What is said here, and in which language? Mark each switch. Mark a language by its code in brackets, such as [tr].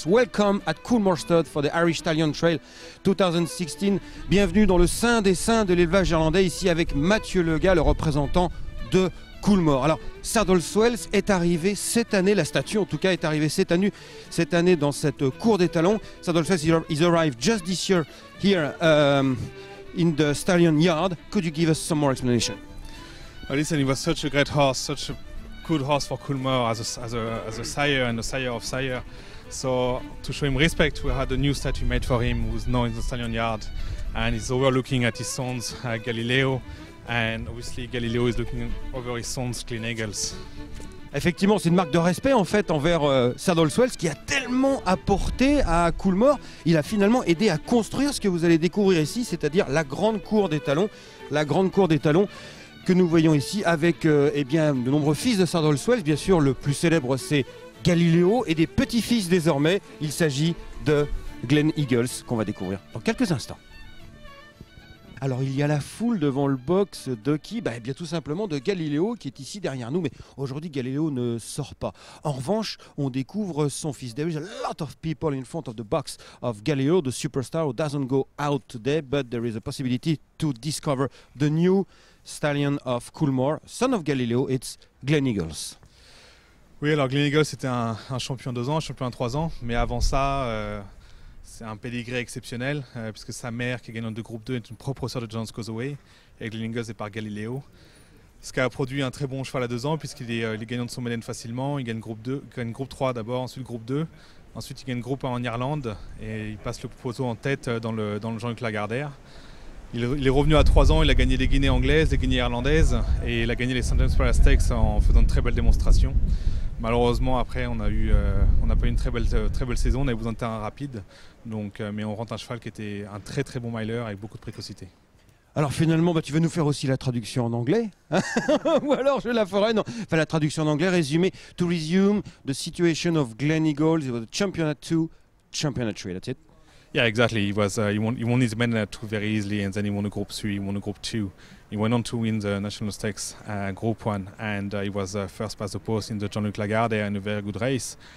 [en] Welcome at Coolmore for the Irish Stallion Trail 2016. [fr] Bienvenue dans le sein des saints de l'élevage irlandais, ici avec Mathieu Lega, le représentant de Coolmore. Alors, Saddleswell est arrivé cette année, la statue en tout cas est arrivée cette année dans cette cour des talons. [en] Saddleswell is arrived just this year here in the Stallion Yard. Could you give us some more explanation? Well, listen, it was such a great horse, such a good horse for Coolmore as a sire and a sire of sire. So to show him respect, we had a new statue made for him who's now in the Stallion Yard and he's overlooking at his sons, Galileo. And obviously Galileo is looking over his sons, Clean Eagles. [fr] Effectivement, c'est une marque de respect en fait envers Saddleswell, qui a tellement apporté à Coolmore. Il a finalement aidé à construire ce que vous allez découvrir ici, c'est-à-dire la grande cour des talons, la grande cour des talons que nous voyons ici avec de nombreux fils de Saddleswell. Bien sûr, le plus célèbre c'est Galileo et des petits-fils désormais. Il s'agit de Glen Eagles qu'on va découvrir dans quelques instants. Alors il y a la foule devant le box de qui? Eh bien tout simplement de Galileo qui est ici derrière nous, mais aujourd'hui Galileo ne sort pas. En revanche, on découvre son fils. [en] There is a lot of people in front of the box of Galileo, the superstar who doesn't go out today, but there is a possibility to discover the new stallion of Coolmore, son of Galileo, it's Glen Eagles. [fr] Oui, alors Glen Eagles c'était un champion 2 ans, un champion 3 ans, mais avant ça... C'est un pedigree exceptionnel, puisque sa mère, qui est gagnante de groupe 2, est une propre sœur de John's Causeway, et Glen Eagles est par Galileo. Ce qui a produit un très bon cheval à 2 ans, puisqu'il est gagnant de son Maiden facilement. Il gagne groupe 2, gagne groupe 3 d'abord, ensuite groupe 2. Ensuite, il gagne groupe 1 en Irlande, et il passe le poteau en tête dans le Jean-Luc Lagardère. Il est revenu à 3 ans, il a gagné les Guinées anglaises, les Guinées irlandaises, et il a gagné les St. James Parallel Stakes en faisant de très belles démonstrations. Malheureusement, après, on n'a pas eu une très belle saison, on a eu besoin de terrain rapide. Mais on rentre un cheval qui était un très très bon miler avec beaucoup de précocité. Alors finalement, tu veux nous faire aussi la traduction en anglais? Ou alors je la ferai, non. Enfin, la traduction en anglais, résumé. [en] To resume the situation of Glen Eagles, it was a Championnat 2, Championnat 3, that's it? Yeah, exactly. He won his Maiden 2 very easily and then he won a Group 3, he won a Group 2. He went on to win the National Stakes Group 1 and he was first past the post in the Jean-Luc Lagardère in a very good race.